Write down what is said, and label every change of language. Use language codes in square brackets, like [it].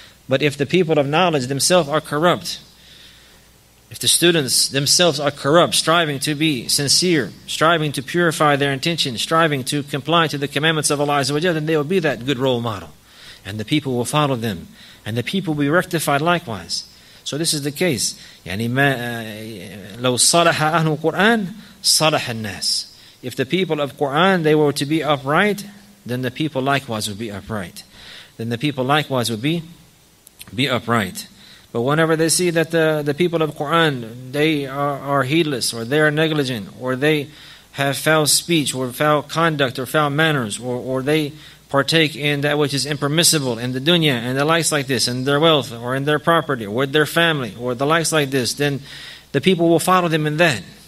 [en] But if the people of knowledge themselves are corrupt, if the students themselves are corrupt, striving to be sincere, striving to purify their intention, striving to comply to the commandments of Allah, then they will be that good role model. And the people will follow them. And the people will be rectified likewise. So this is the case. [ar] يعني ما, لو صالح أهل القرآن صالح الناس. [en] If the people of Quran, they were to be upright, then the people likewise would be upright. Then the people likewise would be upright. But whenever they see that the people of Quran, they are heedless, or they are negligent, or they have foul speech, or foul conduct, or foul manners, or they partake in that which is impermissible in the dunya and the likes like this, in their wealth or in their property or with their family or the likes like this, then the people will follow them in that.